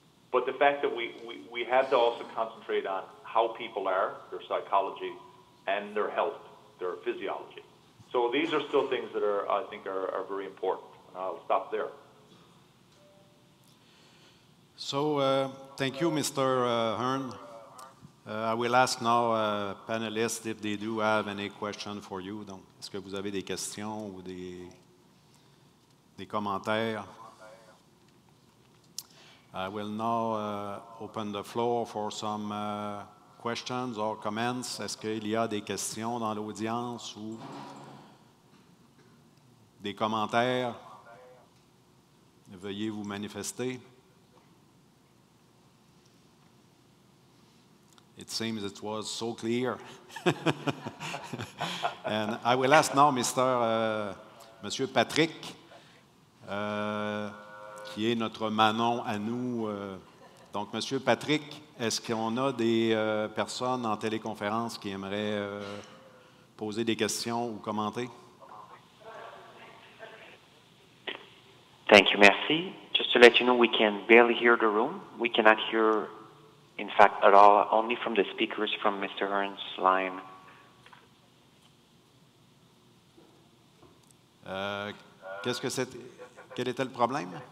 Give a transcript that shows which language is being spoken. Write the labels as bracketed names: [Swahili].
[English] But the fact that we have to also concentrate on how people are, their psychology, and their health, their physiology. So these are still things that I think are very important. And I'll stop there. So thank you, Mr. Hearn. I will ask now panelists if they do have any question for you. [French] Donc, est-ce que vous avez des questions ou des commentaires? [English] I will now open the floor for some questions or comments. [French] Est-ce qu'il y a des questions dans l'audience ou des commentaires? Veuillez vous manifester. [English] It seems it was so clear. And I will ask now Monsieur Patrick, [French] qui est notre Manon à nous. Donc, Monsieur Patrick, est-ce qu'on a des personnes en téléconférence qui aimeraient poser des questions ou commenter? [English] Thank you, merci. Just to let you know, we can barely hear the room. We cannot hear, in fact, at all, only from the speakers from Mr. Hearn's line. [French] Quel était le problème?